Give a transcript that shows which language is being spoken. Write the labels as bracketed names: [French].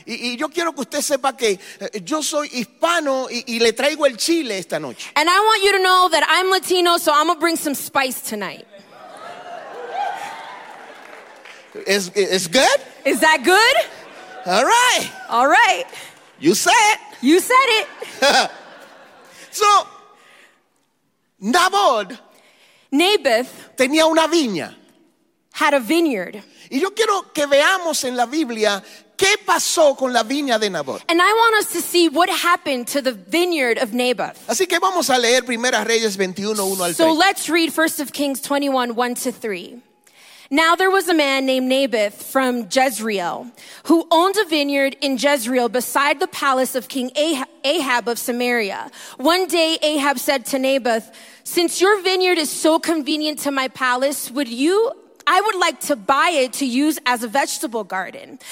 [Spanish] Y yo quiero que usted sepa que yo soy hispano y le traigo el chile esta noche. [English] And I want you to know that I'm Latino, so I'm gonna bring some spice tonight. Is good? Is that good? All right. All right. You said it. You said it. So, Nabot. [Spanish] Naboth tenía una viña. [English] Had a vineyard. [Spanish] Y yo quiero que veamos en la Biblia qué pasó con la viña de Naboth. [English] And I want us to see what happened to the vineyard of Naboth. [Spanish] Así que vamos a leer Primera Reyes 21, 1 al 3. [English] So let's read 1 Kings 21, 1 to 3. Now there was a man named Naboth from Jezreel who owned a vineyard in Jezreel beside the palace of King Ahab of Samaria. One day Ahab said to Naboth, since your vineyard is so convenient to my palace, I would like to buy it to use as a vegetable garden.